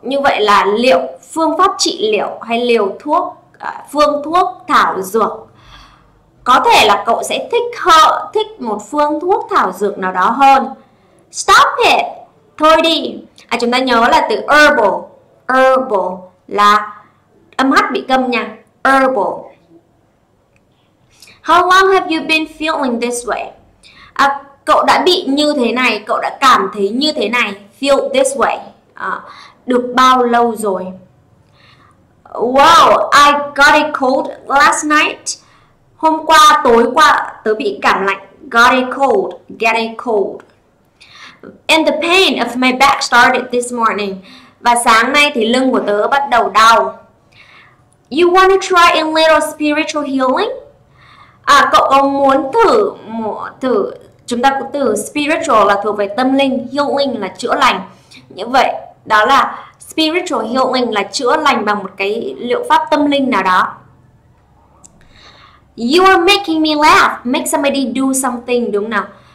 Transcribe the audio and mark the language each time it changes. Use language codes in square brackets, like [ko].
[vi] Như vậy là liệu phương pháp trị liệu hay liều thuốc, phương thuốc thảo dược. Có thể là cậu sẽ thích một phương thuốc thảo dược nào đó hơn. [en] Stop it, [vi] thôi đi. À, chúng ta nhớ là từ herbal là âm h bị câm nha. [en] Herbal. How long have you been feeling this way? [vi] À, cậu đã bị như thế này, cậu đã cảm thấy như thế này, [en] feel this way. [vi] À, được bao lâu rồi? [en] Wow, I got a cold last night. [vi] Hôm qua, tối qua, tớ bị cảm lạnh. [en] Got a cold, get a cold. And the pain of my back started this morning. [vi] Và sáng nay thì lưng của tớ bắt đầu đau. [en] You want to try a little spiritual healing? [vi] À, cậu có muốn thử, chúng ta có từ spiritual là thuộc về tâm linh, healing là chữa lành. Như vậy, đó là spiritual healing là chữa lành bằng một cái liệu pháp tâm linh nào đó. [en] You are making me laugh. Make somebody do something, [vi] đúng nào?